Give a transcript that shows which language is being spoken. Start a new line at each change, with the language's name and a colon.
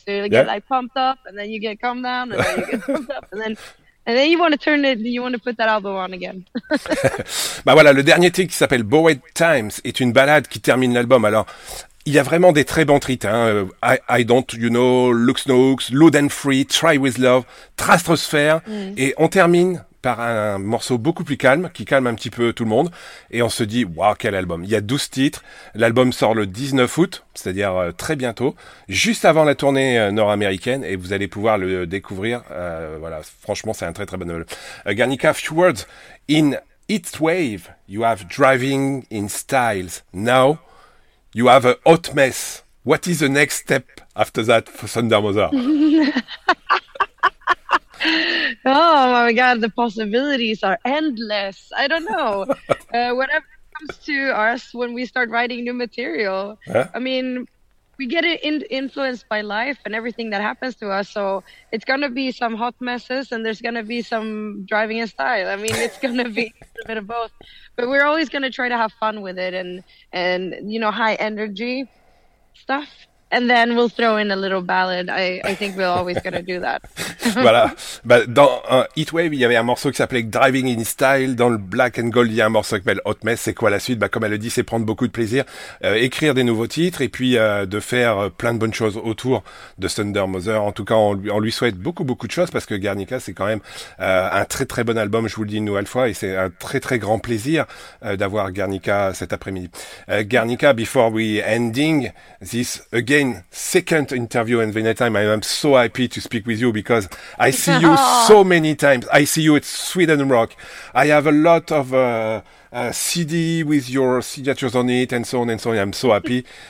English: So you get like pumped up, and then you get calmed down, and then you get pumped up, and then you want to turn it, you want to put that album on again.
French: Bah voilà, le dernier titre qui s'appelle Borrowed Times est une ballade qui termine l'album. Alors, il y a vraiment des très bons titres, hein. I Don't You Know, Looks No Hooks, Load and Free, Try With Love, Trastrosphere, et on termine par un morceau beaucoup plus calme, qui calme un petit peu tout le monde, et on se dit, waouh, quel album. Il y a 12 titres, l'album sort le 19 août, c'est-à-dire très bientôt, juste avant la tournée nord-américaine, et vous allez pouvoir le découvrir. Voilà, franchement, c'est un très très bon album.
English: Guernica, few words. In Heat Wave, you have Driving in Styles. Now, you have a Hot Mess. What is the next step after that for Thunder Mother? Oh my god, the possibilities are endless. I don't know. Whatever comes to us when we start writing new material, I mean, we get it influenced by life and everything that happens to us. So it's going to be some hot messes, and there's going to be some driving in style. I mean, it's going to be a bit of both. But we're always going to try to have fun with it, and you know, high energy stuff. And then we'll throw in a little ballad. I think we're always gonna do that.
French: Voilà. Bah, dans Heatwave, il y avait un morceau qui s'appelait Driving in Style. Dans le Black and Gold, il y a un morceau qui s'appelle Hot Mess. C'est quoi la suite? Bah, comme elle le dit, c'est prendre beaucoup de plaisir, écrire des nouveaux titres et puis de faire plein de bonnes choses autour de Thunder Mother. En tout cas, on lui souhaite beaucoup, beaucoup de choses parce que Guernica, c'est quand même un très, très bon album. Je vous le dis une nouvelle fois et c'est un très, très grand plaisir d'avoir Guernica cet après-midi.
English: Guernica, before we ending this again second interview in Vienna time, I am so happy to speak with you because I see you so many times. I see you at Sweden Rock. I have a lot of CD with your signatures on it and so on and so on. I'm so happy.